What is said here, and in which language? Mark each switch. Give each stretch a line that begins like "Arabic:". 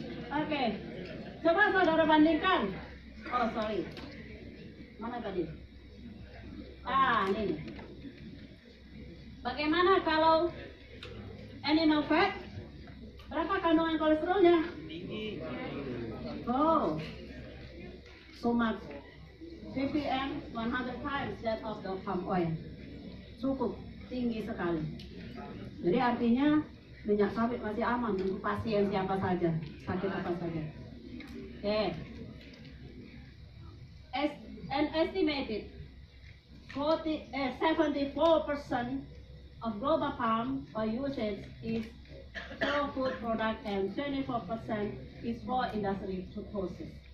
Indonesian: Oke, coba saudara bandingkan.
English: Oh, sorry.
Indonesian: Mana tadi? Ah, ini. Bagaimana kalau
English: animal fat?
Indonesian: Berapa kandungan kolesterolnya?
English: Oh, so much. 50 times that of the palm oil.
Indonesian: Cukup tinggi sekali. Jadi artinya minyak sawit masih aman untuk pasien siapa saja, sakit apa saja. Oke.
English: an estimated 74% of global palm oil usage is for food product and 24% is for industry to process.